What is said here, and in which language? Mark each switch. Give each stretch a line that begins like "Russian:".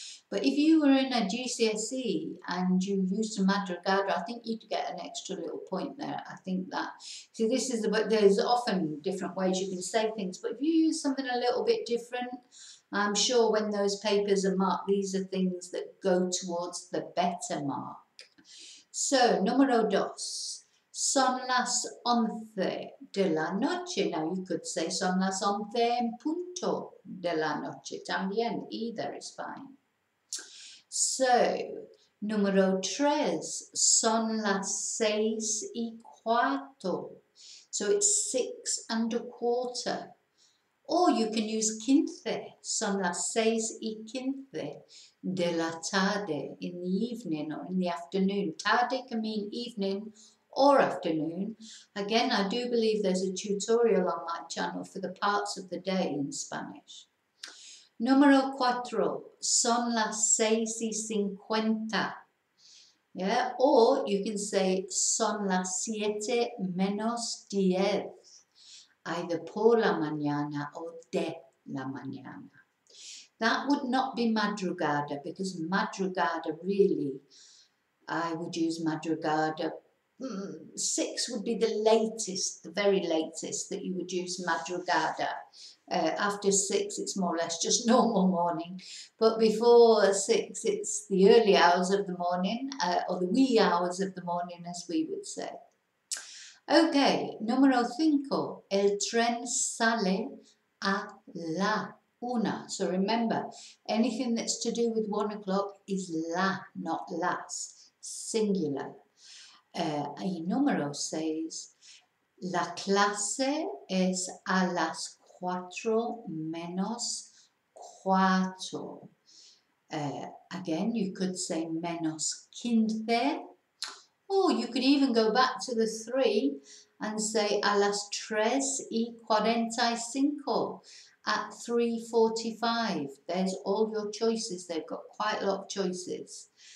English: But if you were in a GCSE and you used a madrugada, I think you'd get an extra little point there. I think that, see, this is, but there's often different ways you can say things, but if you use something a little bit different, I'm sure when those papers are marked, these are things that go towards the better mark.
Spanish: So, número dos, son las once de la noche.
English: Now, you could say
Spanish: son las once en punto de la noche. También,
English: either is fine.
Spanish: So, número tres, son las seis y cuarto.
English: So, it's 6:15. Or you can use quince,
Spanish: son las seis y quince de la tarde,
English: in the evening or in the afternoon. Tarde can mean evening or afternoon. Again, I do believe there's a tutorial on my channel for the parts of the day in Spanish.
Spanish: Número cuatro, son las seis y cincuenta.
English: Yeah, or you can say
Spanish: son las siete menos diez. Either por la mañana or de la mañana.
English: That would not be madrugada because madrugada really, I would use madrugada. 6 would be the latest, the very latest that you would use madrugada. After 6, it's more or less just normal morning. But before 6, it's the early hours of the morning or the wee hours of the morning, as we would say.
Spanish: Okay, número cinco, el tren sale a la una.
English: So remember, anything that's to do with 1 o'clock is la, not las, singular.
Spanish: Y número seis, la clase es a las 4:45.
English: Again, you could say
Spanish: menos quince.
English: Oh, you could even go back to the 3 and say
Spanish: a las 3:45,
English: at 3:45. There's all your choices. They've got quite a lot of choices.